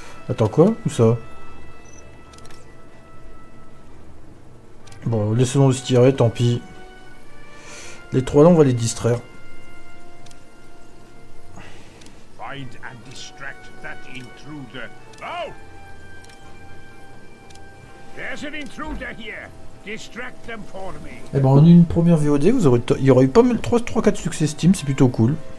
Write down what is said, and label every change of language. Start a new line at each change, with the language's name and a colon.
French: Attends, quoi? Où ça? Bon, laissons-le se tirer, tant pis. Les trois là, on va les distraire.
English: find and distract that intruder. Oh! There's an intruder here. Distract them for me.
French: Eh ben, en une première VOD, vous aurez il y aurait eu pas mal 3-4 succès Steam, c'est plutôt cool.